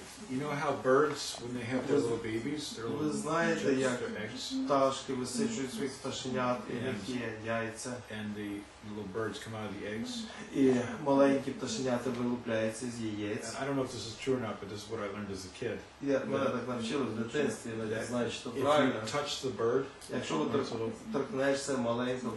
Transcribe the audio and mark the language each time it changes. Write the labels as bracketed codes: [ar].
[en] You know how birds, when they have their little babies, their little eggs? [uk] Ви знаєте, як пташки висичують своїх пташенят, і які яйця. [en] And the little birds come out of the eggs. [uk] І маленькі пташенята вилупляються з яєць. [en] I don't know if this is true or not, but this is what I learned as a kid. [uk] Мене так навчили в дитинстві, але я знаю, що це правильно. [en] If you touch the bird, [uk] якщо ви торкнешся маленького